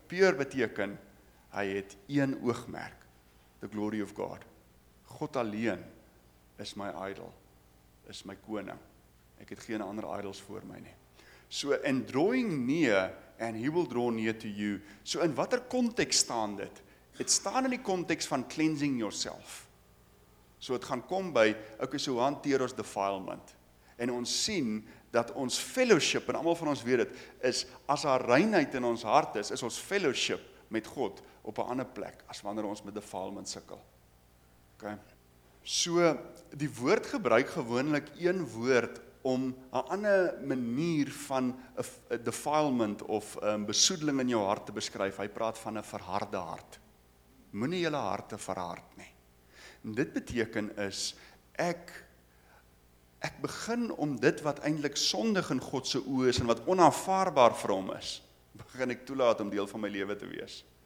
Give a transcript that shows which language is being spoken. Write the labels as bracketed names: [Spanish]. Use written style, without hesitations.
[Afrikaans] Pure beteken, hy het een oogmerk, [English] the glory of God. [Afrikaans] God alleen is my idol, is my koning. Ek het geen ander idols voor my nie. [English] So, in drawing near, and he will draw near to you. [Afrikaans] So, in watter context staan dit? Het staan in die context van cleansing yourself. So, het gaan kom by, ek is hoe hanteer ons defilement. En ons sien, dat ons fellowship, en allemaal van ons weet het, is, as daar reinheid in ons hart is, is ons fellowship met God, op 'n ander plek, as wanneer ons met defilement sukkel. Okay. So, die woord gebruik gewoonlik een woord om 'n ander manier van 'n defilement of besoedeling in jou hart te beskryf. Hy praat van 'n verharde hart. Moenie julle harte verhard nie. En dit beteken is, ek begin om dit wat eintlik sondig in God se oë is en wat onaanvaarbaar vir hom is, begin ek toelaat om deel van my lewe te wees.